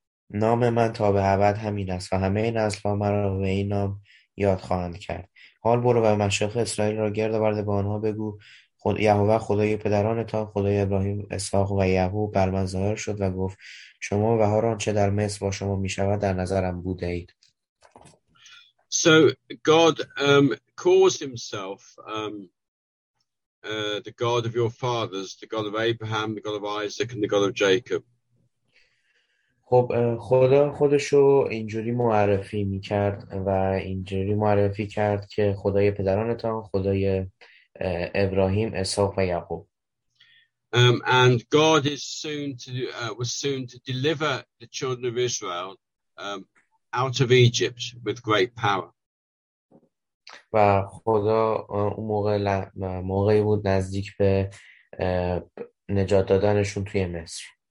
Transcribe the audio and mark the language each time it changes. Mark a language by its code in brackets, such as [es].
[fa] نام من تا به ابد همین است و همه نسل ها مرا به این نام یاد خواهند کرد. حال برو و مشایخ اسرائیل را گرد آورده به آنها بگو یهوه خدای پدرانتان، خدای ابراهیم، اسحاق و یعقوب بر من ظاهر شد و گفت شما و هر آنچه در مصر با شما می شود در نظرم بوده اید. [en] So God calls himself the God of your fathers, the God of Abraham, the God of Isaac, and the God of Jacob. [fa] خب خدا خودشو اینجوری معرفی میکرد و اینجوری معرفی کرد که خدای پدرانتان، خدای ابراهیم، اسحاق و یعقوب. [en] And God is soon to was soon to deliver the children of Israel out of Egypt with great power. [fa] و خدا اون موقع موقعی بود نزدیک به نجات دادنشون توی مصر.